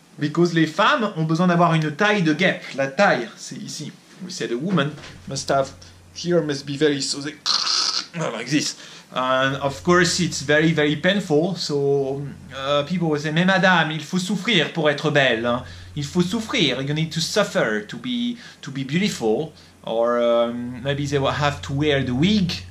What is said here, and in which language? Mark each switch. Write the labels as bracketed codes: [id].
[en] Because [fr] les femmes ont besoin d'avoir une taille de guêpe. La taille, c'est ici. [en] We said a woman must have, here must be very, so they, like this. And of course, it's very, very painful. So people will say, [fr] mais madame, il faut souffrir pour être belle. Hein. Il faut souffrir. [en] You need to suffer to be beautiful. Or maybe they will have to wear the wig.